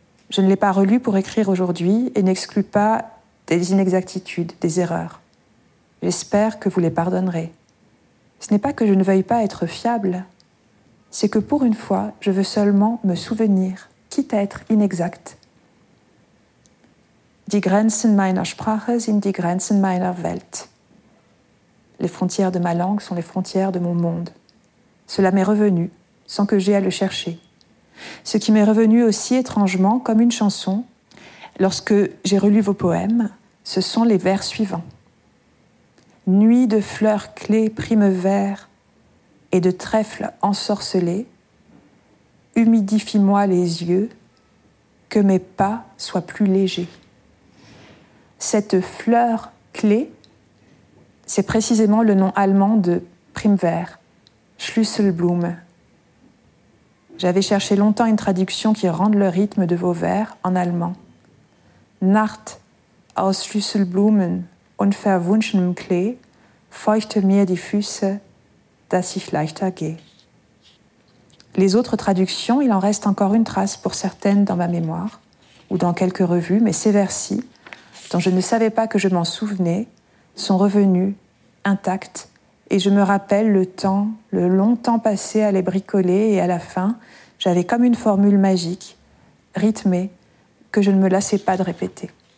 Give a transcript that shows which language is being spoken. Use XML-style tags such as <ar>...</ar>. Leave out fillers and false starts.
<fr>Je ne l'ai pas relu pour écrire aujourd'hui et n'exclus pas des inexactitudes, des erreurs. J'espère que vous les pardonnerez. Ce n'est pas que je ne veuille pas être fiable, c'est que pour une fois, je veux seulement me souvenir, quitte à être inexact.</fr> <de>Die Grenzen meiner Sprache sind die Grenzen meiner Welt.</de> <fr>Les frontières de ma langue sont les frontières de mon monde. Cela m'est revenu, sans que j'aie à le chercher. Ce qui m'est revenu aussi étrangement, comme une chanson, lorsque j'ai relu vos poèmes, ce sont les vers suivants. Nuit de fleurs clés prime vert et de trèfles ensorcelés, humidifie-moi les yeux, que mes pas soient plus légers. Cette fleur clé, c'est précisément le nom allemand de Primwehr, Schlüsselblume. J'avais cherché longtemps une traduction qui rende le rythme de vos vers en allemand.</fr> <de>Nacht aus Schlüsselblumen und verwunschenem Klee feuchte mir die Füße, dass ich leichter gehe.</de> <fr>Les autres traductions, il en reste encore une trace pour certaines dans ma mémoire ou dans quelques revues, mais ces vers-ci, dont je ne savais pas que je m'en souvenais, sont revenus, intacts, et je me rappelle le temps, le long temps passé à les bricoler, et à la fin, j'avais comme une formule magique, rythmée, que je ne me lassais pas de répéter.</fr>